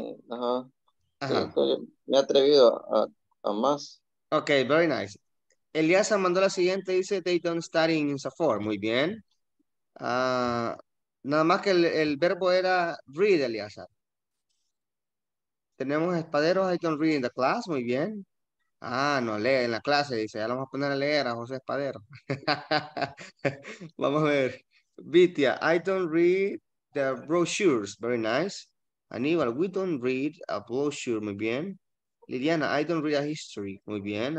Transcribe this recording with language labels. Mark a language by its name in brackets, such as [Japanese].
[Spanish] Ajá. Ajá. Sí, me he atrevido a más. Ok, [English] very nice. [Spanish] Eliasa mandó la siguiente, dice, [English] they don't study in Safor. [Spanish] Muy bien. Nada más que el verbo era read, Eliasa. Tenemos [English] Espaderos, they don't read in the class. [Spanish] Muy bien. Ah, no lee en la clase, dice. Ya lo vamos a poner a leer a José Espadero. Vamos a ver. [English] Vitia, I don't read the brochures. Very nice. Aníbal, we don't read a brochure. [Spanish] Muy bien. [English] Liliana, I don't read a history. Muy bien.